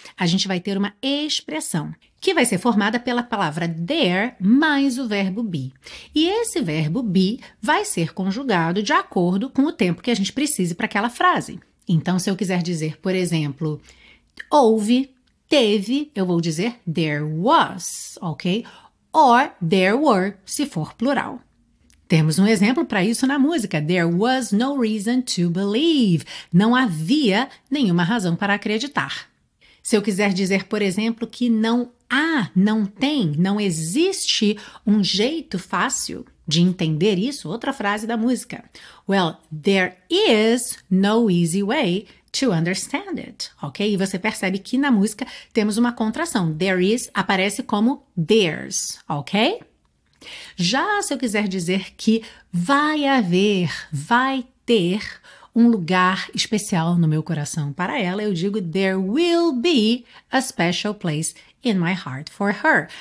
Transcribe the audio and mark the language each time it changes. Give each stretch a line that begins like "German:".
Portuguese: A gente vai ter uma expressão que vai ser formada pela palavra there mais o verbo be. E esse verbo be vai ser conjugado de acordo com o tempo que a gente precise para aquela frase. Então, se eu quiser dizer, por exemplo, houve, teve, eu vou dizer there was, ok?
English: Or there were,
Portuguese: se for plural. Temos um exemplo para isso na música.
English: There was no reason to believe.
Portuguese: Não havia nenhuma razão para acreditar. Se eu quiser dizer, por exemplo, que não há, não tem, não existe um jeito fácil de entender isso, outra frase da música.
English: Well, there is no easy way to understand it, ok?
Portuguese: E você percebe que na música temos uma contração. There is aparece como there's, ok? Já se eu quiser dizer que vai haver, vai ter um lugar especial no meu coração para ela, eu digo
English: there will be a special place in my heart for her.